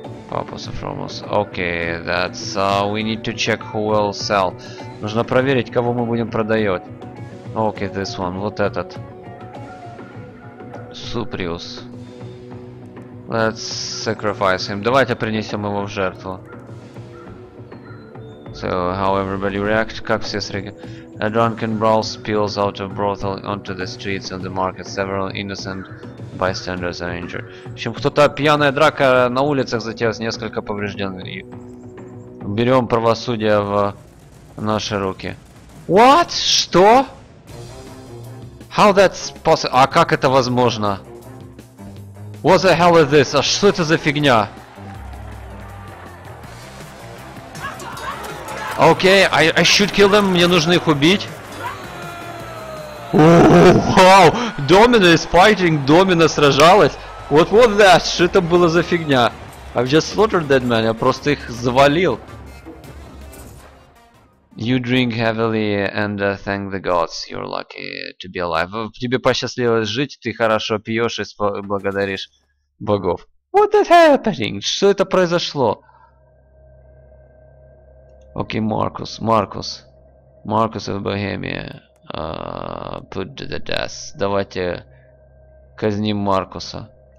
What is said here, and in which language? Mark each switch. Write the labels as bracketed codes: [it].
[en] Papus of Romus, окей, okay, that's... we need to check who will sell. [ru] Нужно проверить, кого мы будем продавать. [en] Окей, okay, this one, [ru] вот этот. [en] Суприус. Let's sacrifice him. [ru] Давайте принесем его в жертву. [en] So, how everybody react? [ru] Как все среагируют? [en] A drunken brawl spills out of brothel onto the streets and the market. Several innocent bystanders are injured. [ru] В общем, кто-то пьяная драка на улицах затеялась, несколько поврежден. Берем правосудие в наши руки. [en] What? [ru] Что? [en] How that's possible? [ru] А как это возможно? [en] What the hell is this? [ru] А что это за фигня? [en] Окей, okay, I should kill them. [ru] Мне нужно их убить. [en] Ooh, wow! Domina is fighting. [ru] Domina сражалась. [en] What that? [ru] Что это было за фигня? [en] I've just slaughtered that man. [ru] Я просто их завалил. [en] You drink heavily and thank the gods you're lucky to be alive. [ru] Тебе посчастливилось жить, ты хорошо пьешь и благодаришь богов. [en] What is happening? [ru] Что это произошло? Окей, Маркус, Маркус. Маркус из Богемии. [en] Put to the death. [ru] Давайте казним Маркуса.